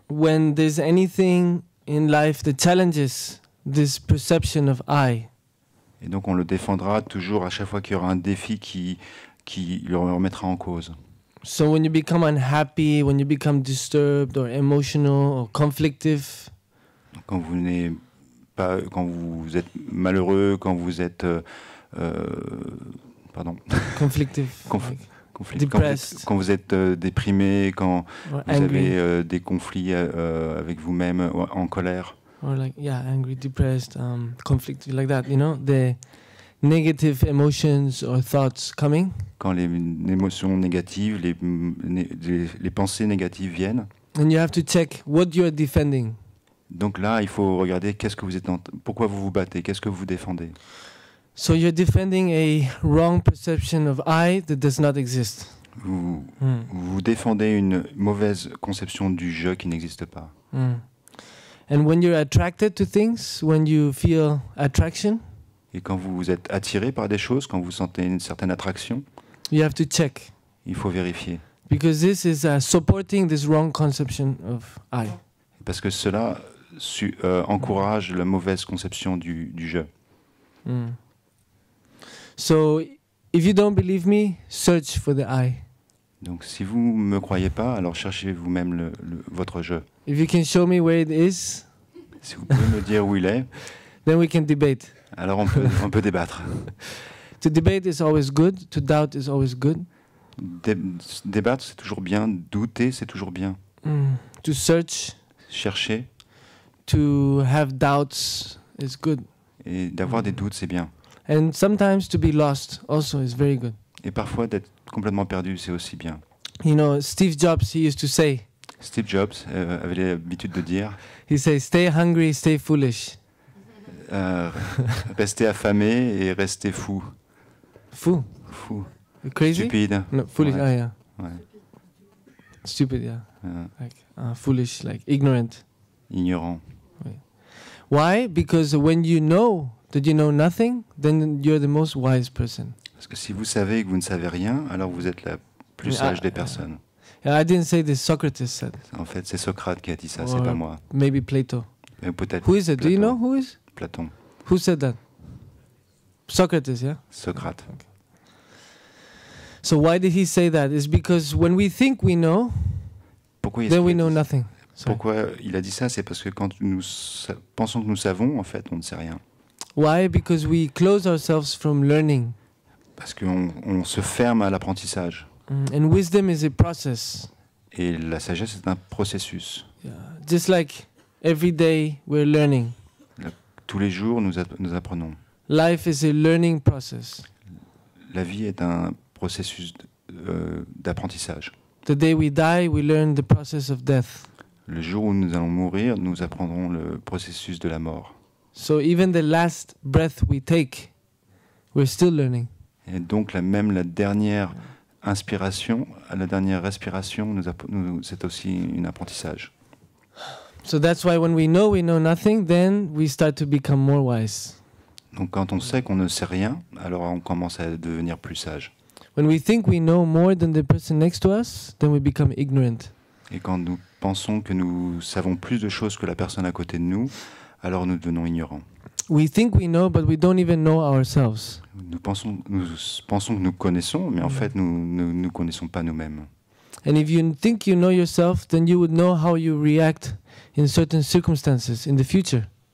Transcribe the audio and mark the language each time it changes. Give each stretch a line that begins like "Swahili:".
English: When there's anything in life that challenges this perception of I.
French: Et donc on le défendra toujours à chaque fois qu'il y aura un défi qui le remettra en cause.
English: So when you become unhappy, when you become disturbed or emotional or conflictive.
French: Quand vous venez pas, quand vous êtes malheureux, quand vous êtes quand vous êtes déprimé, quand avez des conflits avec vous-même en colère.
English: Or like angry, depressed, conflictive, like that, you know, the negative emotions or thoughts coming.
French: Quand les émotions négatives, les pensées négatives viennent.
English: And you have to check what you are defending.
French: Donc là, il faut regarder qu'est-ce que vous êtes pourquoi vous vous battez, qu'est-ce que vous défendez.
English: So you're defending a wrong perception of I that does not exist.
French: Vous défendez une mauvaise conception du je qui n'existe pas.
English: And when you're attracted to things, when you feel attraction.
French: Et quand vous êtes attiré par des choses, quand vous sentez une certaine attraction.
English: You have to check.
French: Il faut vérifier.
English: Because this is supporting this wrong conception of I.
French: Parce que cela encourage la mauvaise conception du je.
English: So, if you don't believe me, search for the I.
French: Donc, si vous me croyez pas, alors cherchez vous-même votre je.
English: If you can show me where it is.
French: Si vous pouvez me dire où il est.
English: Then we can debate.
French: Alors on peut débattre.
English: To debate is always good. To doubt is always good.
French: Débattre c'est toujours bien. Douter c'est toujours bien.
English: To search.
French: Chercher.
English: To have doubts is good.
French: Et d'avoir des doutes c'est bien.
English: And sometimes to be lost also is very good.
French: Et parfois d'être complètement perdu c'est aussi bien.
English: You know, Steve Jobs he used to say.
French: Steve Jobs avait l'habitude de dire.
English: He said, "Stay hungry, stay foolish."
French: Restez affamé et restez fou. Fou. Fou.
English: Crazy.
French: Stupide.
English: No, foolish.
French: Ouais.
English: Ah yeah.
French: Ouais.
English: Stupid, yeah. Like foolish, like ignorant.
French: Ignorant.
English: Why? Because when you know that you know nothing, then you're the most wise person.
French: Parce que si vous savez que vous ne savez rien, alors vous êtes la plus sage des personnes.
English: Yeah, I didn't say this, Socrates said.
French: En fait, c'est Socrate qui a dit ça, or c'est pas moi.
English: Maybe Plato.
French: Mais peut-être
English: who is it?
French: Platon.
English: Do you know who is?
French: Platon.
English: Who said that? Socrates, yeah?
French: Socrate. Okay.
English: So why did he say that? It's because when we think we know,
French: pourquoi
English: then we know nothing.
French: Sorry. Pourquoi il a dit ça? C'est parce que quand nous pensons que nous savons, en fait, on ne sait rien.
English: Why? Because we close ourselves from learning.
French: Parce qu'on se ferme à l'apprentissage.
English: And wisdom is a process.
French: Et la sagesse est un processus.
English: Yeah. Just like every day we're learning.
French: Tous les jours, nous apprenons.
English: Life is a learning process.
French: La vie est un processus d'apprentissage.
English: The day we die, we learn the process of death.
French: Le jour où nous allons mourir, nous apprendrons le processus de la mort.
English: So even the last breath we take, we're still learning.
French: Et donc même la dernière inspiration, la dernière respiration, c'est aussi un apprentissage.
English: So that's why when we know nothing, then we start to become more wise.
French: Donc quand on sait qu'on ne sait rien, alors on commence à devenir plus sage.
English: When we think we know more than the person next to us, then we become ignorant.
French: Et quand nous pensons que nous savons plus de choses que la personne à côté de nous, alors nous devenons ignorants.
English: We think we know, but we don't even know ourselves.
French: Nous pensons que nous connaissons, mais en fait nous connaissons pas nous-mêmes.
English: And if you think you know yourself, then you would know how you react in certain circumstances in the future.